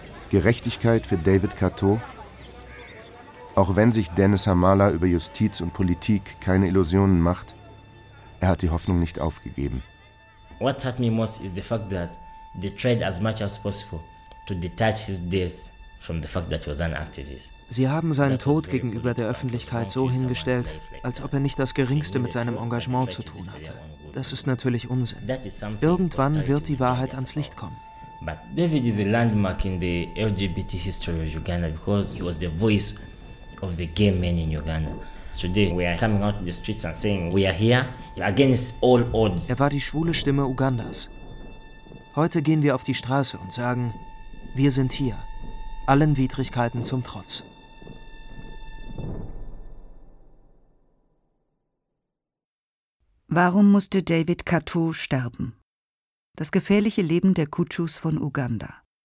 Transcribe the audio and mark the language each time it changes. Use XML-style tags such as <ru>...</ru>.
<de>Gerechtigkeit für David Kato? Auch wenn sich Dennis Hamala über Justiz und Politik keine Illusionen macht, er hat die Hoffnung nicht aufgegeben.</de> <en>What hurt me most is the fact that they tried as much as possible to detach his death from the fact that he was an activist.</en> <de>Sie haben seinen Tod gegenüber der Öffentlichkeit so hingestellt, als ob er nicht das Geringste mit seinem Engagement zu tun hatte. Das ist natürlich Unsinn. Irgendwann wird die Wahrheit ans Licht kommen.</de> <en>But David is a landmark in the LGBT history of Uganda because he was the voice of the gay men in Uganda. Today we are coming out in the streets and saying we are here against all odds.</en> <de>Er war die schwule Stimme Ugandas. Heute gehen wir auf die Straße und sagen, wir sind hier, allen Widrigkeiten zum Trotz. Warum musste David Kato sterben? Das gefährliche Leben der Kutschus von Uganda.</de>